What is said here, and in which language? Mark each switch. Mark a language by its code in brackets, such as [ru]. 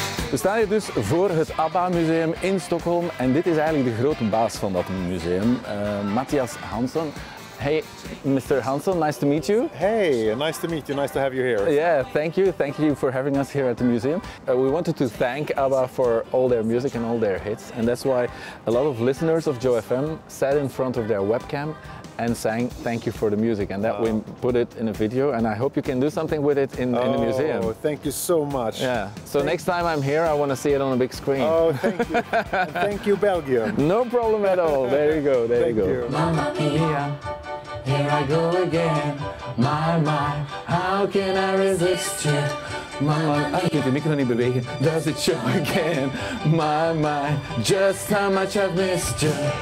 [nl] We staan hier dus voor het ABBA Museum in Stockholm en dit is eigenlijk de grote baas van dat museum, Matthias Hansson. [en] Hey, Mr. Hansson, nice to meet you. Hey, nice to meet you, nice to have you here. Yeah, thank you. Thank you for having us here at the museum. We wanted to thank ABBA for all their music and all their hits. And that's why a lot of listeners of Joe FM sat in front of their webcam and sang Thank You for the Music. And that we put it in a video. And I hope you can do something with it in the museum. Oh, thank you so much. Yeah. So next time I'm here, I want to see it on a big screen. Oh, thank you. And thank you, Belgium. No problem at all. There you go, there you go. Mamma mia. Here I go again, my, how can I resist you? [nl] Mama, ik kan de micro niet bewegen. [en] Does it show again? My, just how much I've missed you.